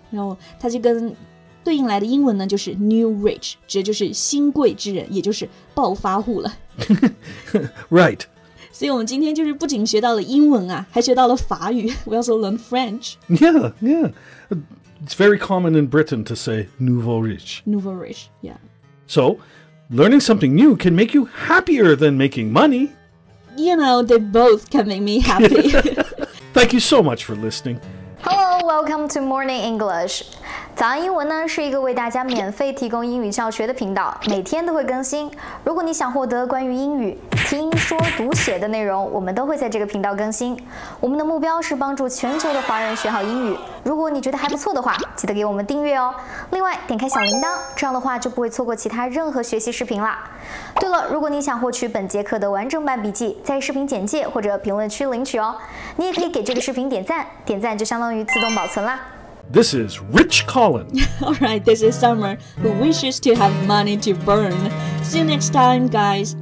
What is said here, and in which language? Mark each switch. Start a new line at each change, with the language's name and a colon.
Chinese: 然后它就跟对应来的英文呢，就是 new rich，指就是新贵之人，也就是暴发户了。
English: Right.
Chinese: 所以我们今天就是不仅学到了英文啊，还学到了法语。
English: We also learned French. Yeah. It's very common in Britain to say nouveau riche. Nouveau riche, yeah. So, learning something new can make you happier than making money. You know, they both can make me happy. Thank you so much for listening. Hello, welcome to Morning English.
Chinese: 早安英文呢是一个为大家免费提供英语教学的频道，每天都会更新。如果你想获得关于英语听说读写的内容，我们都会在这个频道更新。我们的目标是帮助全球的华人学好英语。如果你觉得还不错的话，记得给我们订阅哦。另外，点开小铃铛，这样的话就不会错过其他任何学习视频啦。对了，如果你想获取本节课的完整版笔记，在视频简介或者评论区领取哦。你也可以给这个视频点赞，点赞就相当于自动保存啦。
English: This is Rich Colin. All right, this is Summer, who wishes to have money to burn. See you next time, guys.